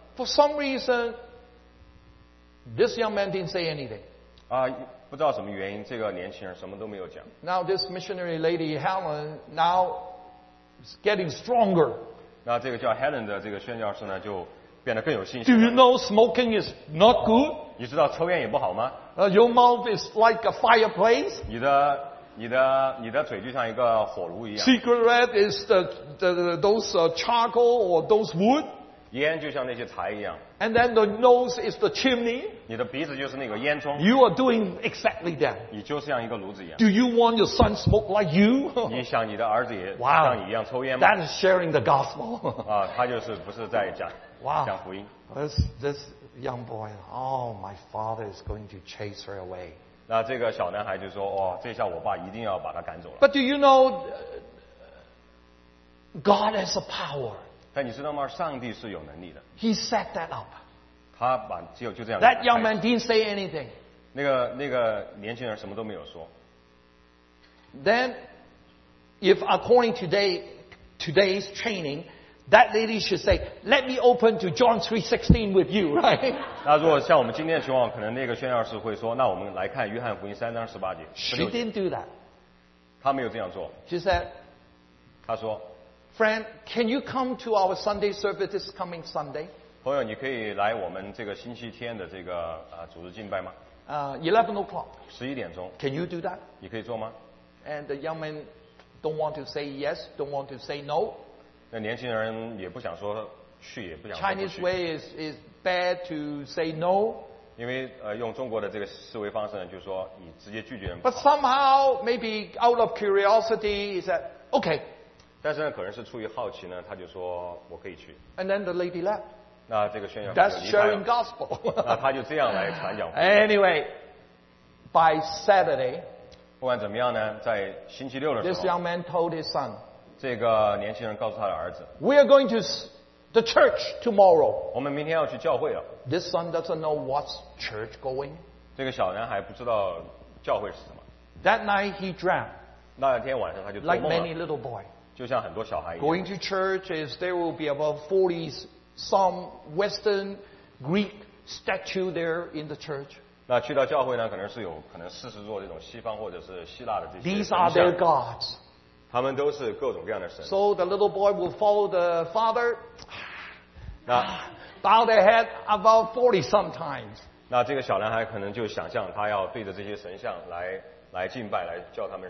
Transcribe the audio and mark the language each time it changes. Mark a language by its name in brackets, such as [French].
[English] For some reason, this young man didn't say anything. [Chinese] 不知道什么原因，这个年轻人什么都没有讲。 [English] Now this missionary lady Helen now is getting stronger. [Chinese] 那这个叫 Helen 的这个宣教士呢，就变得更有信心。 [English] Do you know smoking is not good? [Chinese] 你知道抽烟也不好吗？ [English] Your mouth is like a fireplace. [Chinese] 你的嘴就像一个火炉一样。 [English] Cigarette is those charcoal or those wood. [Chinese] 烟就像那些柴一样。 [English] And then the nose is the chimney. [Chinese] 你的鼻子就是那个烟囱。 [English] You are doing exactly that. [Chinese] 你就像一个炉子一样。 [English] Do you want your son smoke like you? [Chinese] 你想你的儿子也像你一样抽烟吗? [English] Wow, that is sharing the gospel. [Chinese] 他就是不是在讲, wow, 讲福音。 [English] This young boy, oh, my father is going to chase her away. [Chinese] 那这个小男孩就说, 哦, 这下我爸一定要把他赶走了。 [English] But do you know, God has a power. [Chinese] 但你知道吗?上帝是有能力的。 [English] He set that up. [Chinese] 他把就这样。 [English] That young man didn't say anything. [Chinese] 那个年轻人什么都没有说。 [English] Then, if according to today's training, that lady should say, let me open to John 3:16 with you, right? [Chinese] 那如果像我们今天的情况, 可能那个宣教士会说, 那我们来看约翰福音3:18节。 [English] She didn't do that. [Chinese] 她没有这样做。 [English] She said, [Chinese] 她说, [English] Friend, can you come to our Sunday service this coming Sunday? [Chinese] 朋友,你可以来我们这个星期天的这个, 主日敬拜吗? [English] 11 o'clock. [Chinese] 11点钟。 [English] Can you do that? [Chinese] 你可以做吗? [English] And the young man don't want to say yes, don't want to say no. [Chinese] 那年轻人也不想说去，也不想说不去。 [English] Chinese way is bad to say no. [Chinese] 因为用中国的这个思维方式呢，就是说你直接拒绝人。 [English] But somehow, maybe out of curiosity, he said, okay. [Chinese] 但是呢，可能是出于好奇呢，他就说我可以去。 [English] And then the lady left. [Chinese] 那这个宣教士就离开了。 [English] That's sharing gospel. [Chinese] 那他就这样来传讲。 [English] Anyway, by Saturday, [Chinese] 不管怎么样呢，在星期六的时候 [English] ，This young man told his son， [Chinese] 这个年轻人告诉他的儿子 [English] ，We are going to the church tomorrow。 [Chinese] 我们明天要去教会了。 [English] This son doesn't know what's church going。 [Chinese] 这个小男孩不知道教会是什么。 [English] That night he dreamt。 [Chinese] 那天晚上他就做梦了。 [English] Like many little boy。 [Chinese] 就像很多小孩一样。 [English] Going to church is there will be about 40 some Western Greek statue there in the church。 [Chinese] 那去到教会呢，可能是有可能四十座这种西方或者是希腊的这些神像。 [English] These are their gods。 [Chinese] 他们都是各种各样的神。 [English] So the little boy will follow the father。 [Chinese] 那 [English] bow their head about 40 sometimes。 [Chinese] 那这个小男孩可能就想象他要对着这些神像来敬拜，来叫他们。